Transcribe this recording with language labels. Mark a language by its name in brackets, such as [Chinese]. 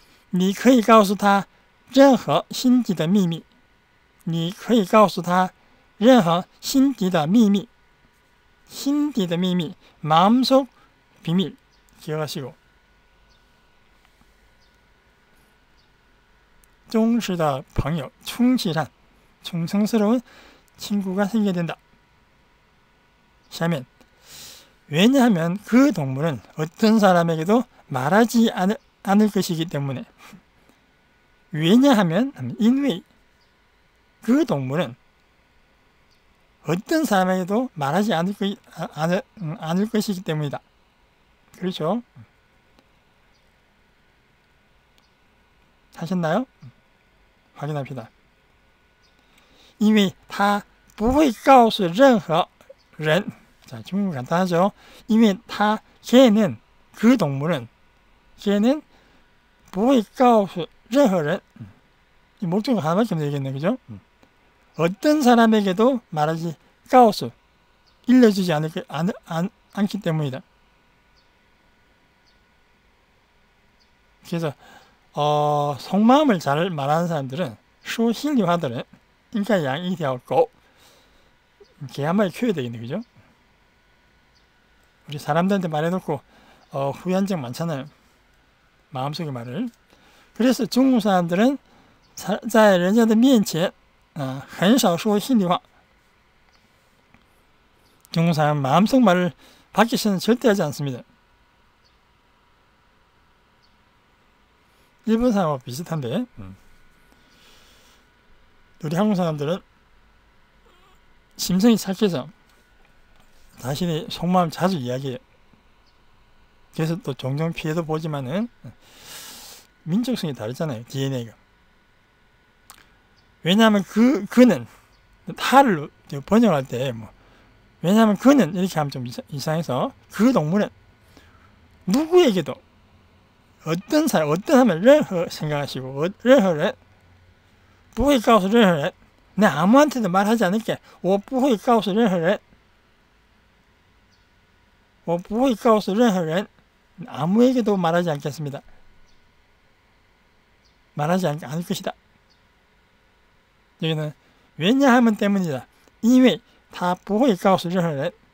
[Chinese] 你可以告诉他任何心底的秘密。你可以告诉他任何心底的秘密。心底的秘密， [Korean] 마음속비밀，기억하시고。 [Chinese] 忠实的朋友， [Korean] 충성스러운 친구가 생겨야 된다。下面，왜냐하면 그 동물은 어떤 사람에게도 말하지 않을 것이기 때문에。 왜냐하면 因为 그 동물은 어떤 사람에게도 말하지 않을 것이기 때문이다. 그렇죠? 하셨나요? 확인합시다. [Chinese] 因为他不会告诉任何人. [Korean] 자, 지금 간단하죠? [Chinese] 因为他, [Korean] 걔는, 그 동물은, 걔는 [Chinese] 不会告诉任何人. [Korean] 목적어 하나밖에 없는 얘기겠네, 그죠? 어떤 사람에게도 말하지, 告诉, 일러주지 않기 때문이다. 그래서 속마음을 잘 말하는 사람들은 [Chinese] 说心里话的人, 应该养一条狗. [Korean] 걔 한 마리 키워야 되겠네, 그죠? 우리 사람들한테 말해놓고 후회한 적 많잖아요. 마음속의 말을. 그래서 중국 사람들은 [Chinese] 在人家的面前, 很少说心里话. [Korean] 중국 사람 마음속 말을 밖에서는 절대 하지 않습니다. 일본 사람과 비슷한데, 우리 한국 사람들은 심성이 착해서 자신의 속마음 자주 이야기해. 그래서 또 종종 피해도 보지만은 민족성이 다르잖아요, DNA가. 왜냐하면 그는 탈을 번역할 때 뭐, 왜냐하면 그는 이렇게 하면 좀 이상해서 그 동물은 누구에게도 어떤 사람, 어떤 하면 任何 생각하시고 任何人 不会告诉任何人 내 아무한테도 말하지 않을게 [Chinese] 我不会告诉任何人 我不会告诉任何人 [Korean] 아무에게도 말하지 않겠습니다. 말하지 않을 것이다. 여기는 왜냐하면 때문이다. 이미 다 [Chinese] 不会告诉任何人.